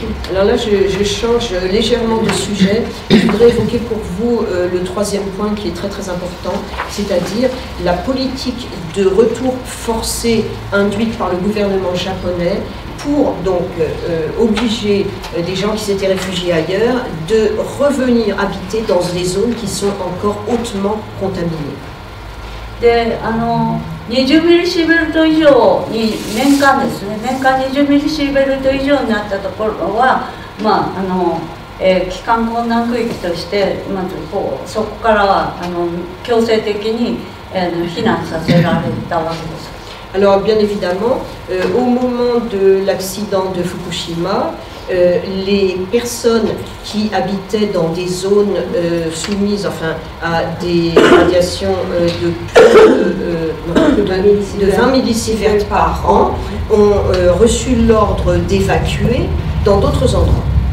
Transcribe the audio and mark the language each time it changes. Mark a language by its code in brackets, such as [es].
[fr] Alors là, je change légèrement de sujet. Je voudrais évoquer pour vous le troisième point qui est très très important, c'est-à-dire la politique de retour forcé induite par le gouvernement japonais pour donc obliger des gens qui s'étaient réfugiés ailleurs de revenir habiter dans des zones qui sont encore hautement contaminées. [ja] で、あの 20mmシベルト以上に年間ですね年間20mmシベルト以上になったところはまああの帰還困難区域としてまずこうそこから強制的に避難させられたわけです。 [fr] Alors bien évidemment, au moment de l'accident de Fukushima, les personnes qui habitaient dans des zones soumises enfin, à des radiations de plus de 20 millisieverts par an ont reçu l'ordre d'évacuer dans d'autres endroits.